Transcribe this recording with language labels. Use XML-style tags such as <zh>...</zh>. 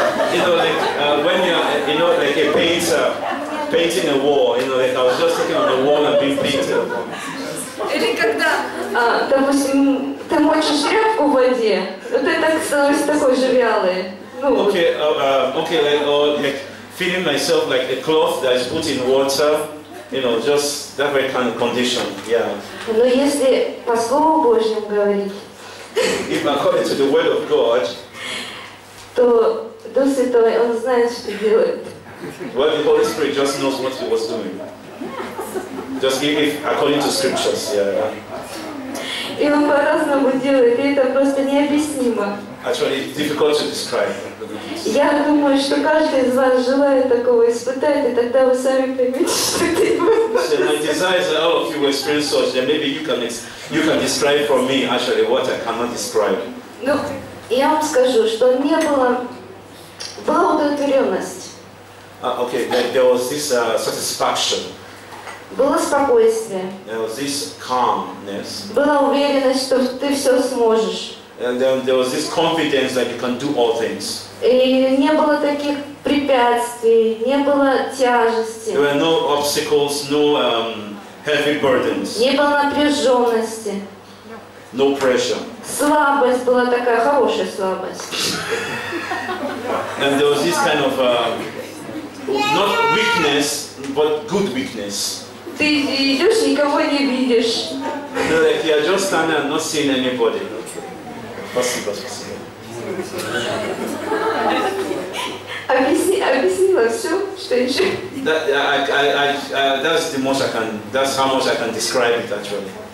<en>You know, like when you're, you know, like a painter painting a wall. You know, like I was just looking on the wall and being painted.</en> <ru>Или когда, допустим, ты мочишь тряпку в воде, вот ты так становишься такой же вялый.</ru> <en>Okay, like feeling myself like a cloth that is put in water. You know, just that very kind of condition. Yeah.</en> <ru>Но если по слову Божьему говорить.</ru> <en>If according to the word of God,</en> <ru>то Дух Святой, Он знает, что делает.</ru> <en>Well, the Holy Spirit just knows what He was doing. Just give it according to scriptures, yeah.</en> <ru>И Он по-разному делает, и это просто необъяснимо.</ru> <en>Actually, it's difficult to describe.</en> <ru>Я думаю, что каждый из вас желает такого испытать, и тогда вы сами поймете, что это будет.</ru> <en>My desire is that all of you will experience such, then maybe you can describe for me actually what I cannot describe.</en> <ru>Ну, я вам скажу, что не было удовлетворенность.</ru> <en>Okay, there was this satisfaction.</en> <ru>Было спокойствие.</ru> <en>There was this calmness.</en> <ru>Была уверенность, что ты все сможешь.</ru> <en>And then there was this confidence that you can do all things.</en> <ru>И не было таких препятствий, не было тяжести.</ru> <en>There were no obstacles, no heavy burdens.</en> <ru>Не было напряженности.</ru> <en>No pressure.</en> <ru>Слабость была такая, хорошая слабость.</ru> <en>And there was this kind of not weakness, but good weakness.</en> <ru>Ты идешь, никого не видишь.</ru> <en>Like you are just standing and not seeing anybody.</en> <ru>Спасибо, спасибо. Объяснила все, что еще.</ru> <en>That's the most I can. That's how much I can describe it actually.</en>